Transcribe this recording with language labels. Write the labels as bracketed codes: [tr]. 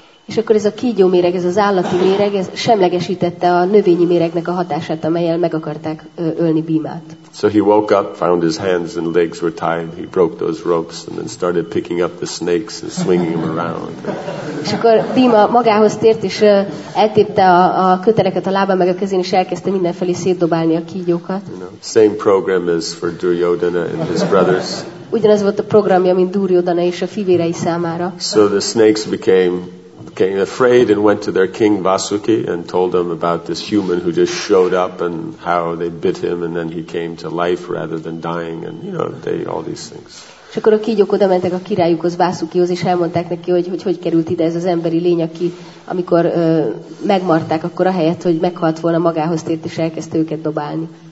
[hu] És akkor ez a kígyó méreg, ez az állati méreg, ez semlegesítette a növényi méregnek a hatását, amelyel meg akarták ölni Bhimát. [en] So he woke up, found his hands and legs were tied, he broke those ropes and then started picking up the snakes and swinging them around. [hu] És akkor Bhima magához tért, és eltépte a köteleket a lábán meg a kezén, és elkezdte mindenfelé szétdobálni a kígyókat. [en] You know, same program as for Duryodhana and his brothers. [hu] Ugyanaz volt a programja, mint Duryodhana és a fivérei számára. [en] So the snakes became afraid and went to their king Vasuki and told him about this human who just showed up and how they bit him and then he came to life rather than dying and you know they all these things. [hu] És akkor a kígyók oda mentek a királyukhoz Vasukihoz és elmondták neki, hogy került ide ez az emberi lény, aki amikor megmarták, akkor a helyet, hogy meghalt volna, magához tért és elkezdte őket dobálni.